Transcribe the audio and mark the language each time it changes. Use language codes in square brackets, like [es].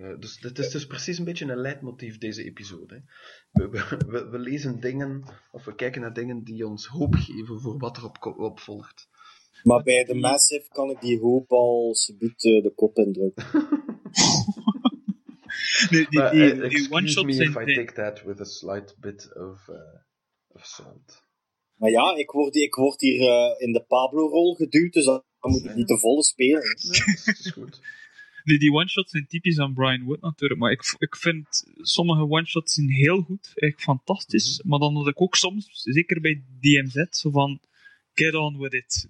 [nl] Dus het is dus precies een beetje een leidmotief deze episode. We lezen dingen, of we kijken naar dingen die ons hoop geven voor wat er op volgt. Maar bij The Massive kan ik die hoop al subiet de kop indrukken. die one-shot zijn... [en] Excuse me if I take that with a slight bit of salt. [nl] Maar ja, ik word hier in de Pablo-rol geduwd, dus dan moet ik niet de volle spelen. Dat is goed. Die one-shots zijn typisch aan Brian Wood natuurlijk, maar ik vind sommige one-shots zijn heel goed, echt fantastisch. Mm-hmm. Maar dan had ik ook soms, zeker bij DMZ, zo van... [en] Get on with it.